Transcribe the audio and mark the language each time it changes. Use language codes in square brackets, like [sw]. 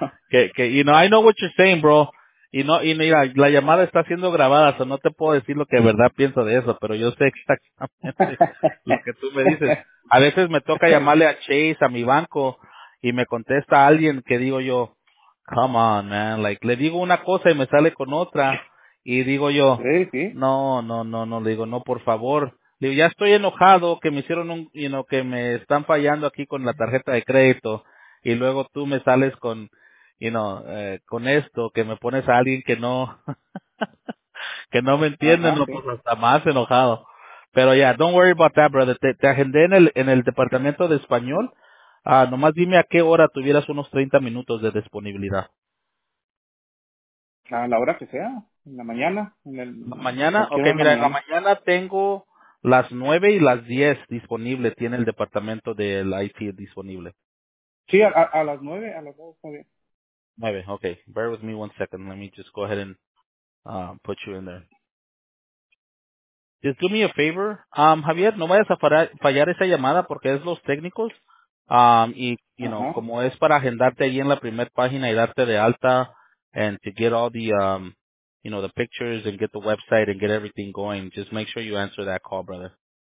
[en] que you know, I know what you're saying, bro. [es] Y mira, la llamada está siendo grabada, so no te puedo decir lo que de verdad pienso de eso, pero yo sé exactamente lo que tú me dices. A veces me toca llamarle a Chase, a mi banco, y me contesta alguien que digo yo, [en] come on, man, like, [es] le digo una cosa y me sale con otra. Y digo yo, no, le digo, no, por favor. Le digo, ya estoy enojado que me hicieron que me están fallando aquí con la tarjeta de crédito. Y luego tú me sales con, con esto, que me pones a alguien que no, que no me entiende, no, pues hasta más enojado. Pero ya, [en] don't worry about that, brother. [es] Te agendé en el departamento de español. Nomás dime a qué hora tuvieras unos 30 minutos de disponibilidad. A la hora que sea, en la mañana. ¿Mañana? Okay, mira, en la mañana tengo las 9 y las 10 disponible, tiene el departamento del IT disponible. Sí, a las 9, a las 9 está bien. 9, okay. [en] Bear with me one second, let me just go ahead and put you in there. Just do me a favor, Javier, [es] no vayas a fallar esa llamada porque es los técnicos, y como es para agendarte ahí en la primer página y darte de alta, [en] and to get all the the pictures and get the website and get everything going, just make sure you answer that call, brother.